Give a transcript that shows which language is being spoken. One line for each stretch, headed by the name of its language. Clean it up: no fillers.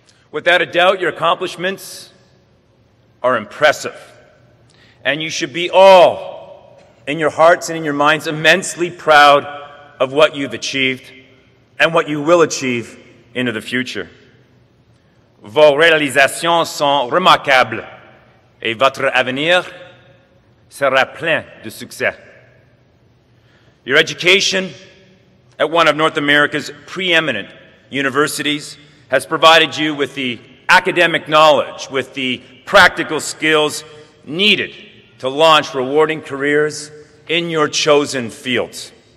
English: Without a doubt, your accomplishments are impressive, and you should be all, in your hearts and in your minds, immensely proud of what you've achieved and what you will achieve into the future.
French: Vos réalisations sont remarquables, et votre avenir sera plein de succès.
English: Your education at one of North America's preeminent universities has provided you with the academic knowledge, with the practical skills needed to launch rewarding careers in your chosen fields.